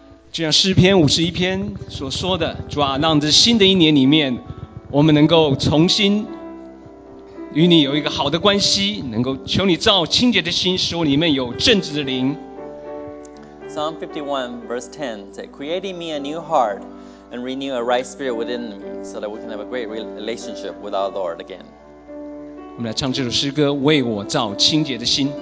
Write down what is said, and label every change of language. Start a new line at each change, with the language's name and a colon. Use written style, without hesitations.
Chinese: 就像诗篇五十一篇所说的，主啊，让这新的一年里面我们能够重新与你有一个好的关系，能够求你造清洁的心，使我里面有正直的灵。
English: Psalm 51 verse 10 says, Create in me a new heart and renew a right spirit within me, so that we can have a great relationship with our Lord again.
Chinese: 我们来唱这首诗歌，为我造清洁的心。